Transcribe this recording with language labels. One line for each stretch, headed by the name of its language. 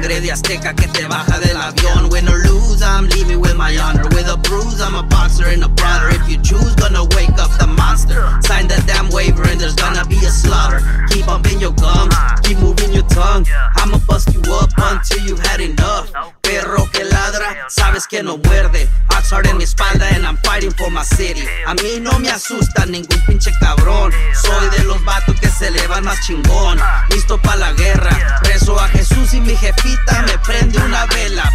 Spanish: Azteca que te baja del avión.
English: Win or lose, I'm leaving with my honor. With a bruise, I'm a boxer and a brother. If you choose, gonna wake up the monster. Sign that damn waiver and there's gonna be a slaughter. Keep bumping your gums, keep moving your tongue. I'ma bust you up until you've had enough.
Spanish: Perro que ladra, sabes que no muerde. Ox hard en mi espalda
English: and I'm fighting for my city.
Spanish: A mí no me asusta ningún pinche cabrón. Soy de los vatos que se le van más chingón. Listo pa' la guerra, rezo a Jesús y mi jefita me prende una vela.